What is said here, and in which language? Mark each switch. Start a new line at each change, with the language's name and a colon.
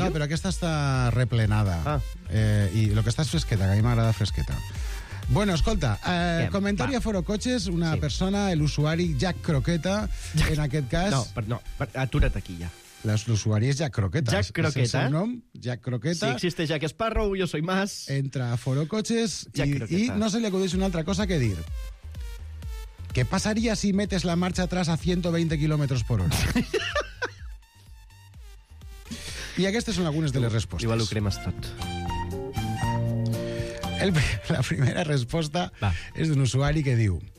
Catalan: No, però aquesta està replenada. Ah. I el que està és fresqueta, que a mi m'agrada fresqueta. Bueno, escolta, comentari a Foro Cotxes, una persona, l'usuari Jack Croqueta, en aquest cas... No, aturat aquí ja. L'usuari és Jack Croquetas. Jack Croquetas. És el seu nom, Jack Croquetas.
Spanish: Si existe Jack Sparrow, jo soy más.
Catalan: Entra a Foro Coches i no se li acudeix una altra cosa que dir.
Spanish: ¿Qué pasaría si metes la marcha atrás a 120 kilómetros por hora?
Catalan: I aquestes són algunes de les respostes. Igual ho cremes tot. La primera resposta és d'un usuari que diu...